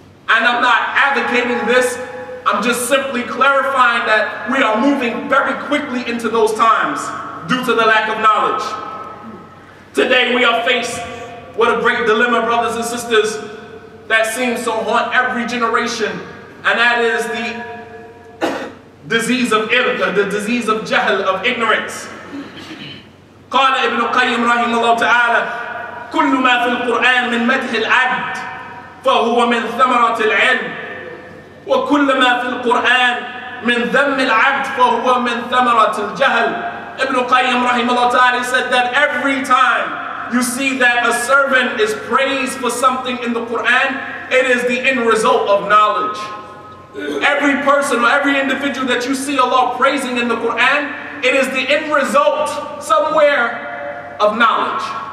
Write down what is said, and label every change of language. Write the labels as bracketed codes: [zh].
[en] And I'm not advocating this, I'm just simply clarifying that we are moving very quickly into those times due to the lack of knowledge. Today we are faced with a great dilemma, brothers and sisters, that seems to haunt every generation, and that is the disease of irq, the disease of jahl, of ignorance. [ar] قال ابن قيم رحمه الله تعالى, كل ما في القرآن من مدح العبد فهو من ثمرة العلم, وكل ما في القرآن من ذم العبد فهو من ثمرة الجهل. [en] ابن قيم رحمه الله تعالى said that every time you see that a servant is praised for something in the Quran, it is the end result of knowledge. Every person or every individual that you see Allah praising in the Quran, it is the end result somewhere of knowledge.